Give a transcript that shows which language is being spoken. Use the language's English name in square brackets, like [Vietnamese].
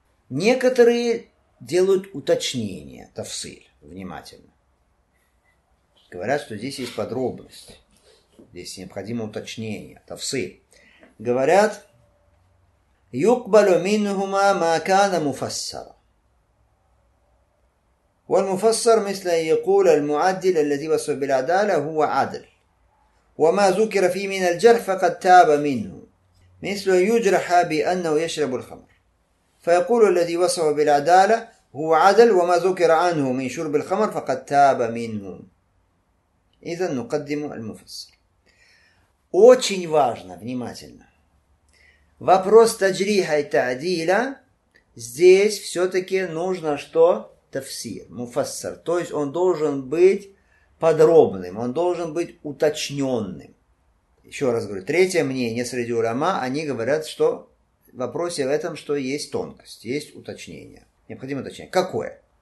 [Russian] Некоторые делают уточнение, тафсиль, внимательно. Говорят, что здесь есть подробность, здесь необходимо уточнение, тафсиль. Говорят, [Arabic] юкбалю миннухума ма кана муфассара. والمفسر مثل أن يقول المعدل الذي وصف بالعدالة هو عدل وما ذكر فيه من الجرح فقد تاب منه مثل أن يجرح بأنه يشرب الخمر فيقول الذي وصف بالعدالة هو عدل وما ذكر عنه من شرب الخمر فقد تاب منه إذن نقدم المفسر [Russian] очень важно внимательно вопрос [Arabic] تجريح التعديل [Russian] здесь все-таки нужно что Тафсир, муфассар. То есть он должен быть подробным, он должен быть уточненным. Еще раз говорю, третье мнение среди улема, они говорят, что в вопросе в этом, что есть тонкость, есть уточнение. Необходимо уточнение. Какое?